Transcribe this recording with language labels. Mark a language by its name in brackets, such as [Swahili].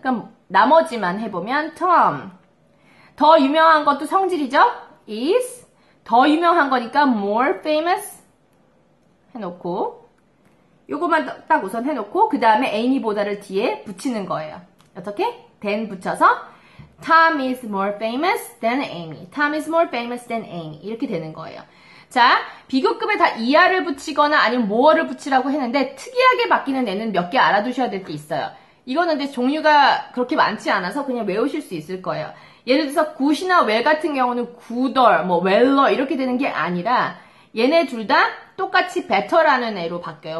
[Korean] 그럼 나머지만 해보면, Tom. 더 유명한 것도 성질이죠? is. 더 유명한 거니까 more famous. 해놓고. 요것만 딱 우선 해놓고, 그 다음에 Amy보다를 뒤에 붙이는 거예요. 어떻게? [English] than [Korean] 붙여서, [English] Tom is more famous than Amy. Tom is more famous than Amy. [Korean] 이렇게 되는 거예요. 자, 비교급에 다 er을 붙이거나 아니면 more를 붙이라고 했는데 특이하게 바뀌는 애는 몇개 알아두셔야 될게 있어요. 이거는 근데 종류가 그렇게 많지 않아서 그냥 외우실 수 있을 거예요. 예를 들어서 good이나 well 같은 경우는 gooder, 뭐 weller 이렇게 되는 게 아니라 얘네 둘다 똑같이 better라는 애로 바뀌어요.